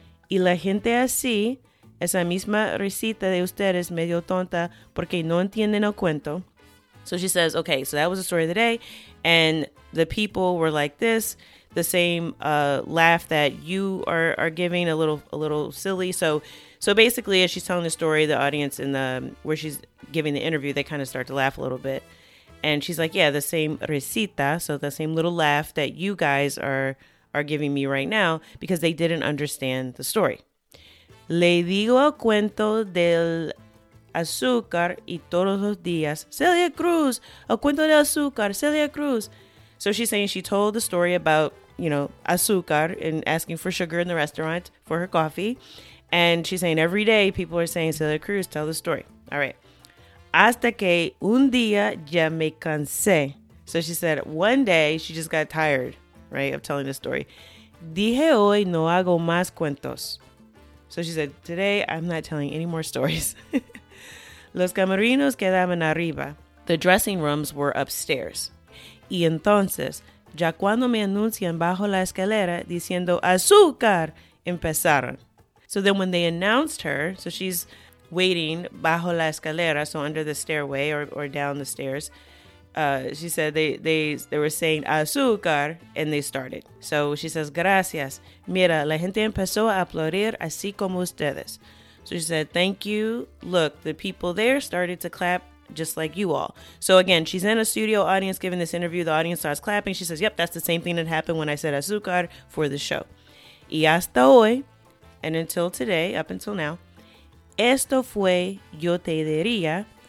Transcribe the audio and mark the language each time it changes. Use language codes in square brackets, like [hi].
[es] Y la gente así, esa misma risita de ustedes medio tonta porque no entienden el cuento. [en] So she says, okay, so that was the story of the day. And the people were like this, the same laugh that you are giving, a little silly. So basically, as she's telling the story, the audience in the where she's giving the interview, they kind of start to laugh a little bit. And she's like, yeah, the same risita, so the same little laugh that you guys are giving me right now, because they didn't understand the story. [es] Le digo el cuento del azúcar y todos los días. Celia Cruz, el cuento del azúcar, Celia Cruz. [en] So she's saying she told the story about, you know, azúcar and asking for sugar in the restaurant for her coffee. And she's saying every day people are saying, Celia Cruz, tell the story. All right. [es] Hasta que un día ya me cansé. [en] So she said one day she just got tired, right, of telling the story. [es] Dije hoy no hago más cuentos. [en] So she said, today I'm not telling any more stories. [es] Los camerinos quedaban arriba. [en] The dressing rooms were upstairs. [es] Y entonces, ya cuando me anuncian bajo la escalera diciendo azúcar, empezaron. [en] So then when they announced her, so she's waiting [es] bajo la escalera, [en] so under the stairway or down the stairs, she said they were saying azúcar, and they started. So she says, gracias. [es] Mira, la gente empezó a aplaudir así como ustedes. [en] So she said, thank you. Look, the people there started to clap just like you all. So again, she's in a studio audience giving this interview. The audience starts clapping. She says, yep, that's the same thing that happened when I said azúcar for the show. [es] Y hasta hoy, [en] and until today, up until now, [es] esto fue yo te diría.